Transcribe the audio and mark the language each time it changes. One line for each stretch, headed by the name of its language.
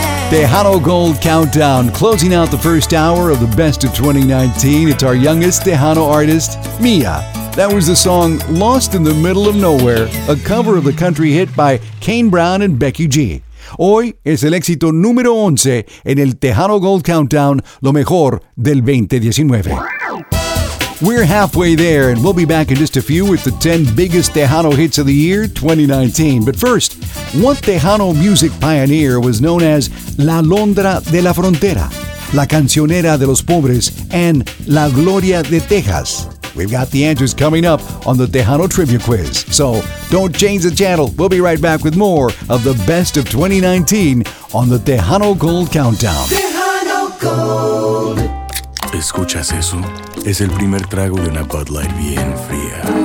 English: Tejano Gold Countdown, closing out the first hour of the best of 2019. It's our youngest Tejano artist, Mia. That was the song Lost in the Middle of Nowhere, a cover of the country hit by Kane Brown and Becky G.
Spanish: Hoy es el éxito número 11 en el Tejano Gold Countdown, lo mejor del 2019.
English: We're halfway there, and we'll be back in just a few with the 10 biggest Tejano hits of the year, 2019. But first, what Tejano music pioneer was known as La Londra de la Frontera, La Cancionera de los Pobres, and La Gloria de Texas? We've got the answers coming up on the Tejano Trivia Quiz. So don't change the channel. We'll be right back with more of the best of 2019 on the Tejano Gold Countdown. Tejano Gold.
Spanish: ¿Escuchas eso? Es el primer trago de una Bud Light bien fría.